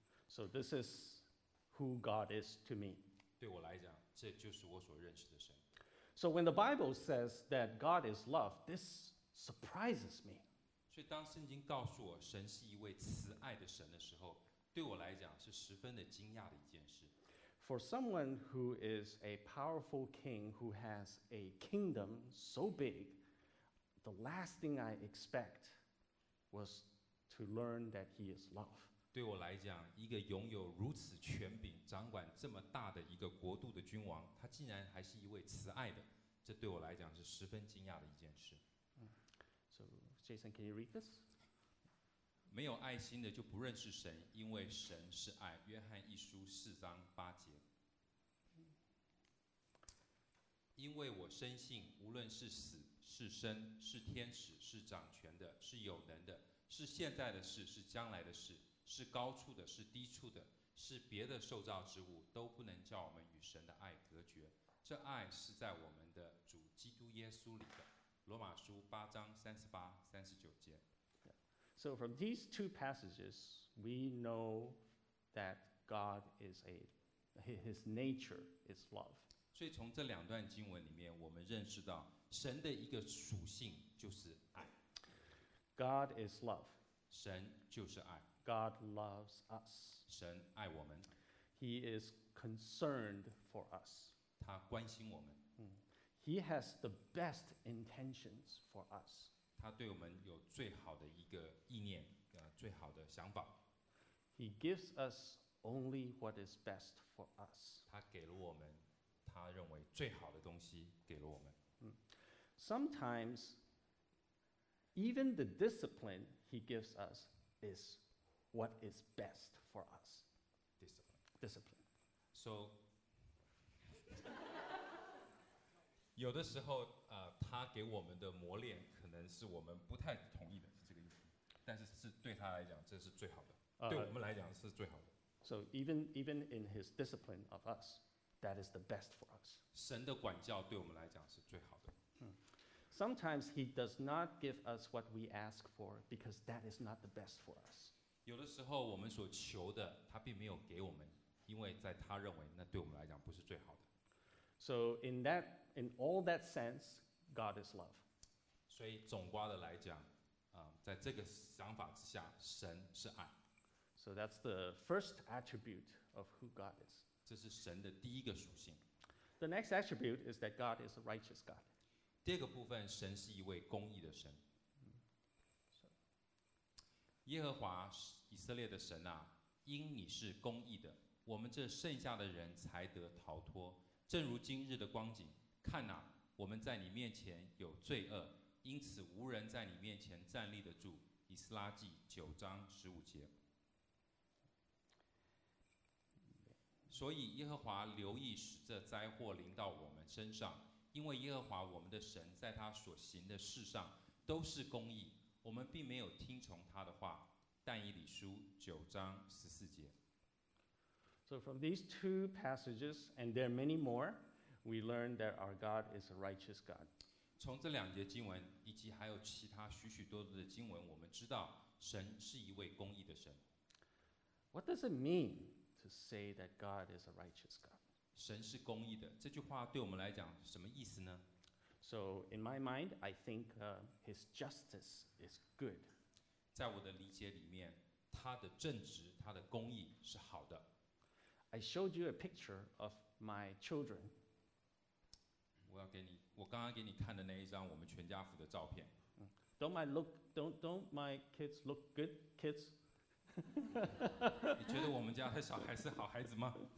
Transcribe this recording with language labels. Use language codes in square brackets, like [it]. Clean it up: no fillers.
[en] So this is who God is to me. [zh] 对我来讲，这就是我所认识的神。 [en] So when the Bible says that God is love, this surprises me. [zh] 所以当圣经告诉我神是一位慈爱的神的时候，对我来讲是十分的惊讶的一件事。 [en] For someone who is a powerful king who has a kingdom so big, the last thing I expect was to learn that he is love. [zh] 对我来讲，一个拥有如此权柄、掌管这么大的一个国度的君王，他竟然还是一位慈爱的，这对我来讲是十分惊讶的一件事。 [en] So, Jason, can you read this? [zh] 没有爱心的就不认识神，因为神是爱。约翰一书四章八节。因为我深信，无论是死是生，是天使是掌权的，是有能的，是现在的事是将来的事，是高处的是低处的，是别的受造之物，都不能叫我们与神的爱隔绝。这爱是在我们的主基督耶稣里的。罗马书八章三十八、三十九节。 [en] So from these two passages, we know that God is a, his nature is love. [zh] 所以从这两段经文里面，我们认识到神的一个属性就是爱。 [en] God is love. [zh] 神就是爱。 [en] God loves us. [zh] 神爱我们。 [en] He is concerned for us. [zh] 他关心我们。 [en] He has the best intentions for us. [zh] 他对我们有最好的一个意念，最好的想法。 [en] He gives us only what is best for us. [zh] 他给了我们他认为最好的东西给了我们。 [en] Sometimes, even the discipline he gives us is what is best for us. Discipline. Discipline. [zh] So, 有的时候，他给我们的磨练可能是我们不太同意的，是这个意思。但是是对他来讲，这是最好的。对我们来讲是最好的。 [en] So even in his discipline of us, that is the best for us. [zh] 神的管教对我们来讲是最好的。 [en] Sometimes he does not give us what we ask for because that is not the best for us. [zh] 有的时候我们所求的他并没有给我们，因为在他认为那对我们来讲不是最好的。 [en] So in all that sense, God is love. [zh] 所以总括的来讲，在这个想法之下，神是爱。 [en] So that's the first attribute of who God is. [zh] 这是神的第一个属性。 [en] The next attribute is that God is a righteous God. [zh] 第二个部分，神是一位公义的神。耶和华以色列的神啊，因你是公义的，我们这剩下的人才得逃脱。正如今日的光景，看啊，我们在你面前有罪恶，因此无人在你面前站立得住。以斯拉记九章十五节。所以耶和华留意使这灾祸临到我们身上，因为耶和华我们的神在他所行的事上都是公义，我们并没有听从他的话。但以理书九章十四节。 [en] So from these two passages, and there are many more, we learn that our God is a righteous God. [zh] 从这两节经文以及还有其他许许多多的经文，我们知道神是一位公义的神。 [en] What does it mean to say that God is a righteous God? [zh] 神是公义的，这句话对我们来讲什么意思呢？ [en] So in my mind, I think his justice is good. [zh] 在我的理解里面，他的正直，他的公义是好的。 [en] I showed you a picture of my children. [zh] 我刚刚给你看的那一张我们全家福的照片。 [en] Don't my kids look good, kids? [zh] 你觉得我们家的小孩是好孩子吗？